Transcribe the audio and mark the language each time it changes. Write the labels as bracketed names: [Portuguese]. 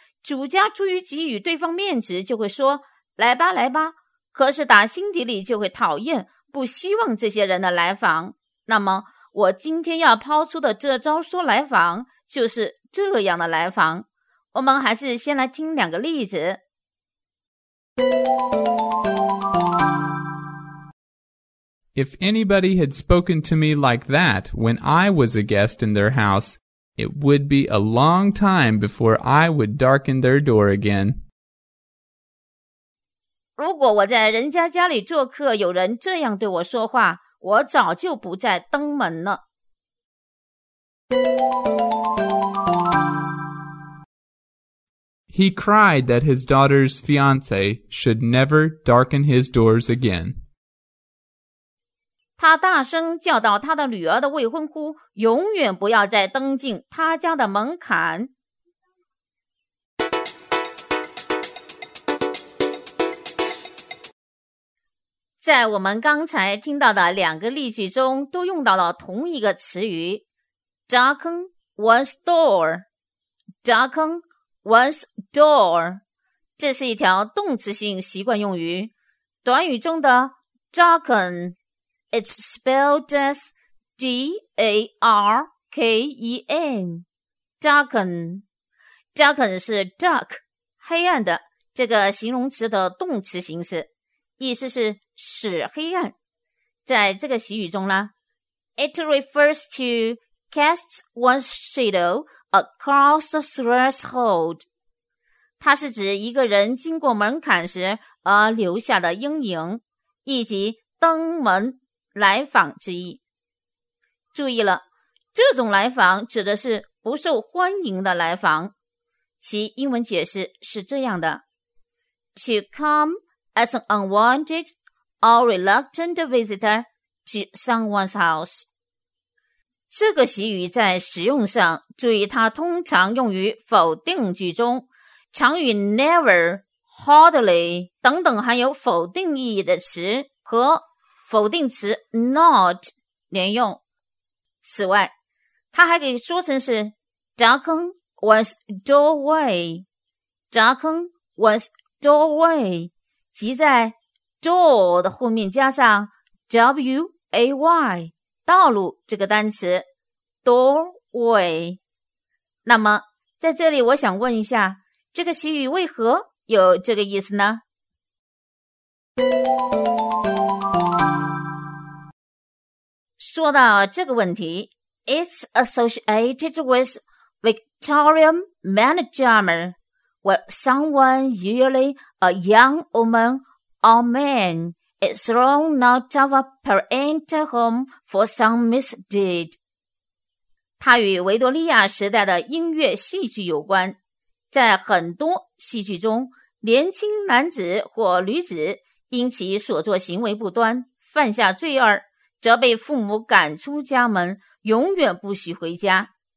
[Chinese] 主家出于给予对方面子就会说来吧来吧，可是打心底里就会讨厌不希望这些人的来访。那么我今天要抛出的这招说来访就是这样的来访。我们还是先来听两个例子。 [English] If anybody had spoken to me like that when I was a guest in their house, it would be a long time before I would darken their door again. [Chinese] 如果我在人家家里做客，有人这样对我说话，我早就不再登门了。 [English] He cried that his daughter's fiance should never darken his doors again. [Chinese] 他大声叫道他的女儿的未婚夫永远不要再登进他家的门槛。在我们刚才听到的两个例句中都用到了同一个词语 [English] darken one's door, darken one's door, [Chinese] 这是一条动词性习惯用语。短语中的 darken, [English] it's spelled as D-A-R-K-E-N, darken. [Chinese] Darken 是 dark, 黑暗的这个形容词的动词形式，意思是使黑暗。在这个习语中呢， [English] it refers to casts one's shadow across the threshold. [Chinese] 它是指一个人经过门槛时而留下的阴影，以及登门来访之意。注意了，这种来访指的是不受欢迎的来访。其英文解释是这样的 [English] To come as an unwanted or reluctant visitor to someone's house。 [Chinese] 这个习语在使用上，注意它通常用于否定句中，常与 never, hardly 等等含有否定意义的词和否定词 not 连用。此外，它还可以说成是 [English] darken one's doorway, darken one's doorway, [Chinese] 即在 door 的后面加上 way, 道路这个单词 doorway。那么，在这里我想问一下，这个习语为何有这个意思呢？说到这个问题， [English] It's associated with Victorian male charmer, where someone, usually a young woman or man, is thrown out of a parental home for some misdeed. [Chinese] 它与维多利亚时代的音乐戏剧有关。在很多戏剧中，年轻男子或女子因其所作行为不端犯下罪恶，则被父母赶出家门，永远不许回家。